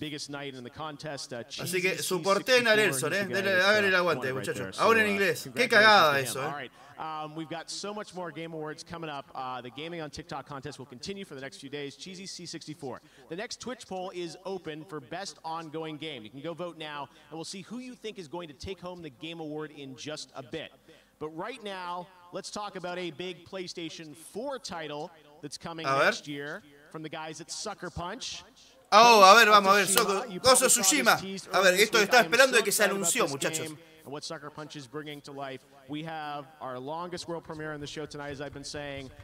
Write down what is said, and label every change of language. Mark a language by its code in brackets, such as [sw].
[es] Así que soporten a Nelson, hagan el aguante, muchachos. Ahora en inglés, qué cagada eso, ¿eh? [en] We've got so much more Game Awards coming up. The gaming on TikTok contest will continue for the next few days. Cheesy C64. The next Twitch poll is open for best ongoing game. You can go vote now, and we'll see who you think is going to take home the Game Award in just a bit. But right now, let's talk about a big PlayStation 4 title that's coming next year from the guys at Sucker Punch. [es] Oh, a ver, vamos a ver. Gozo Tsushima. A ver, esto estaba esperando de que se anunció, muchachos. [en] And what Sucker Punch is bringing to life. We have our longest world premiere in the show tonight, as I've been saying.